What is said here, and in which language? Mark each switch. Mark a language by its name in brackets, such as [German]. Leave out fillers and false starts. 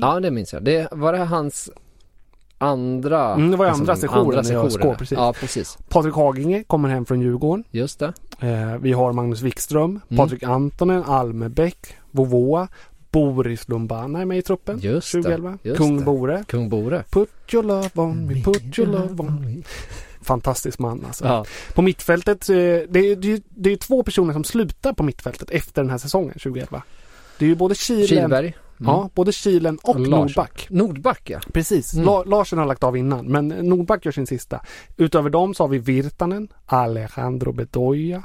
[Swedish] Ja, det minns jag. Det var det hans andra... Det var liksom andra sessionen i ÖSK, precis. Ja, precis. Patrik Haginge kommer hem från Djurgården. Just det. Vi har Magnus Wikström, Patrik Antonen, Almebäck, Vovoa... Boris Lumbana är med i truppen. Just 2011. Just Kung Bore. Kung Bore. [English] Put your love on me, put your love on me. [Swedish] fantastisk man. Alltså. Ja. På mittfältet, det är ju två personer som slutar på mittfältet efter den här säsongen 2011. Det är ju både Kihlberg. Mm. Ja, både Kihlen och Nordback. Nordback, ja. Precis. Mm. Larsen har lagt av innan, men Nordback gör sin sista. Utöver dem så har vi Virtanen, Alejandro Bedoya.